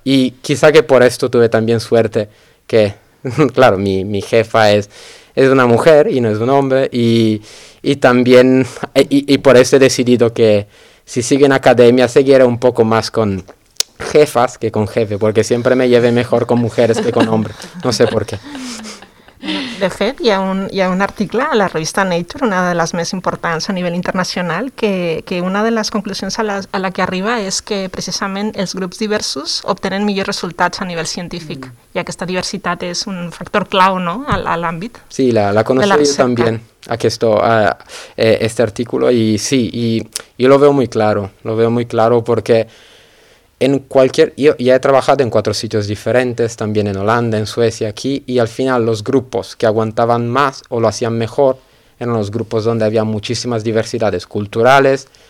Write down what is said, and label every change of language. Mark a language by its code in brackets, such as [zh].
[es] Y quizá que por esto tuve también suerte que, claro, mi jefa es una mujer y no es un hombre y también por eso he decidido que si sigue en academia seguiré un poco más con jefas que con jefe, porque siempre me llevé mejor con mujeres que con hombres, no sé por qué. [ca] De fet, hi ha un article a la revista Nature, una de les més importants a nivell internacional, que una de les conclusions a la que arriba és que precisament els grups diversos obtenen millors resultats a nivell científic, i aquesta diversitat és un factor clau, no?, a l'àmbit. Sí, la coneixo jo també, aquest article, i sí, jo [es] lo veo muy claro [ca] perquè [es] ya he trabajado en 4 sitios diferentes, también en Holanda, en Suecia, aquí, y al final los grupos que aguantaban más o lo hacían mejor eran los grupos donde había muchísimas diversidades culturales,